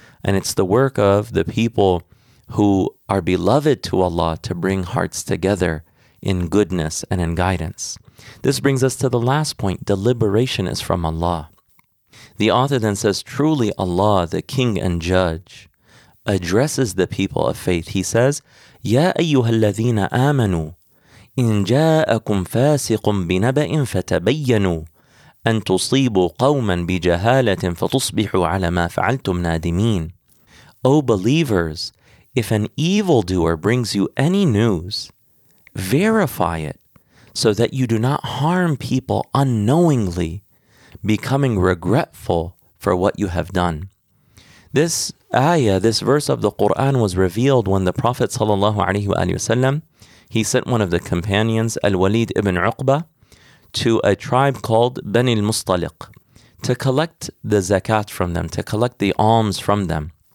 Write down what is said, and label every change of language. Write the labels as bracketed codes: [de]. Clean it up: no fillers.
[en] And it's the work of the people who are beloved to Allah to bring hearts together in goodness and in guidance. This brings us to the last point. Deliberation is from Allah. The author then says, truly Allah, the King and Judge, addresses the people of faith. He says, [ar] يَا أَيُّهَا الَّذِينَ آمَنُوا إِن جَاءَكُمْ فَاسِقٌ بِنَبَئٍ فَتَبَيَّنُوا أن تصيبوا قوما بجهالة فتصبحوا على ما فعلتم نادمين. [en] O believers, if an evildoer brings you any news, verify it so that you do not harm people unknowingly, becoming regretful for what you have done. This ayah, this verse of the Quran was revealed when the Prophet ﷺ, he sent one of the companions, Al-Walid ibn Uqba, to a tribe called Bani al-Mustaliq, to collect the zakat from them, to collect the alms from them.